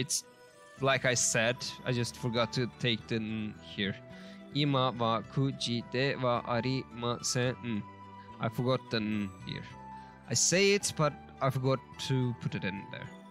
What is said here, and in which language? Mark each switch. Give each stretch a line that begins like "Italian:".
English: It's like I said, I just forgot to take the here.
Japanese: 今は9時ではありません。
English: I forgot the here. I say it, but I forgot to put it in there.